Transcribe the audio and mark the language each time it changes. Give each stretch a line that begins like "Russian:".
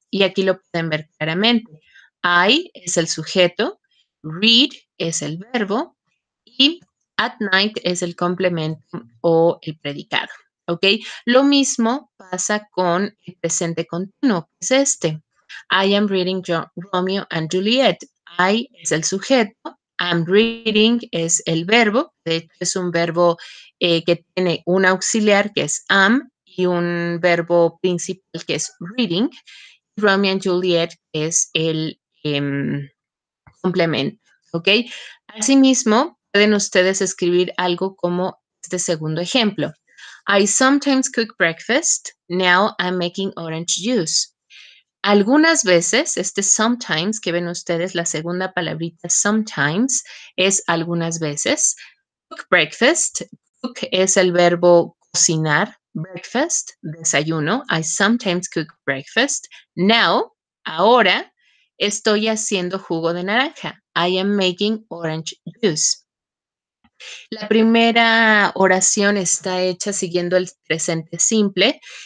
Spanish: Y aquí lo pueden ver claramente. I es el sujeto, read es el verbo y at night es el complemento o el predicado. ¿Okay? Lo mismo pasa con el presente continuo, que es este.
English: I am reading Romeo and Juliet.
Spanish: I es el sujeto. I'm reading es el verbo. De hecho, es un verbo que tiene un auxiliar, que es am, y un verbo principal, que es reading. Romeo and Juliet es el complemento. ¿Okay? Asimismo, pueden ustedes escribir algo como este segundo ejemplo.
English: I sometimes cook breakfast. Now I'm making orange juice.
Spanish: Algunas veces, este sometimes que ven ustedes, la segunda palabrita sometimes es algunas veces. Cook breakfast, cook es el verbo cocinar, breakfast, desayuno.
English: I sometimes cook breakfast.
Spanish: Now, ahora, estoy haciendo jugo de naranja.
English: I am making orange juice.
Spanish: La primera oración está hecha siguiendo el presente simple.